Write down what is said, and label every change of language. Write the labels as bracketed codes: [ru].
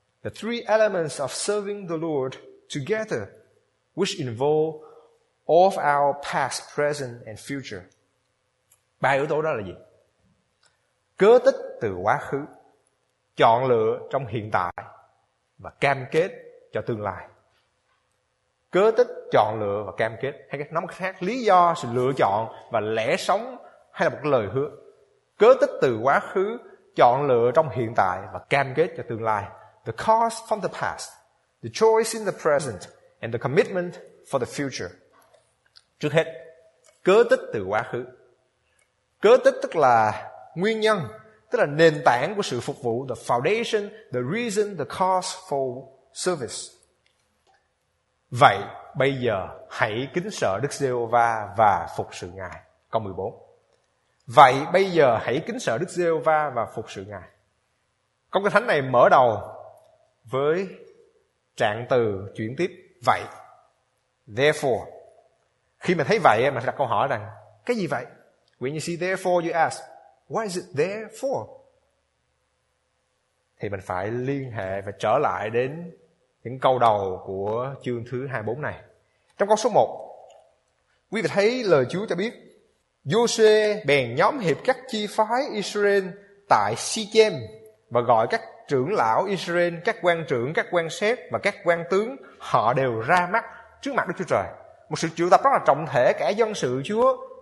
[en] The three elements of serving the Lord together, which involve all of our past, present and future. [vi] Ba yếu tố đó là gì? Cớ tích từ quá khứ, chọn lựa trong hiện tại và cam kết cho tương lai. Cớ tích, chọn lựa và cam kết, hay nói một cách khác, lý do, sự lựa chọn và lẽ sống, hay là một lời hứa. Cớ tích từ quá khứ, chọn lựa trong hiện tại và cam kết cho tương lai. [en] The cause from the past, the choice in the present and the commitment for the future. [vi] Trước hết, cớ tích từ quá khứ. Cớ tích tức là nguyên nhân, tức là nền tảng của sự phục vụ. [en] The foundation, the reason, the cause for service. [vi] Vậy bây giờ hãy kính sợ Đức Giê-hô-va và phục sự Ngài. Câu 14. Vậy bây giờ hãy kính sợ Đức Giê-hô-va và phục sự Ngài. Câu Kinh Thánh này mở đầu với trạng từ chuyển tiếp vậy. [en] Therefore. [vi] Khi mình thấy vậy, mình sẽ đặt câu hỏi rằng cái gì vậy? [en] When you see therefore, you ask, why is it therefore? [vi] Thì mình phải liên hệ và trở lại đến những câu đầu của chương thứ 24 này. Trong câu số 1, quý vị thấy lời Chúa cho biết Giô-sê bèn nhóm hiệp các chi phái Israel tại Si-chem và gọi các trưởng lão Israel, các quan trưởng, các quan xét và các quan tướng, họ đều ra mắt trước mặt Đức Chúa Trời. Một sự triệu tập rất là trọng thể, cả dân sự Chúa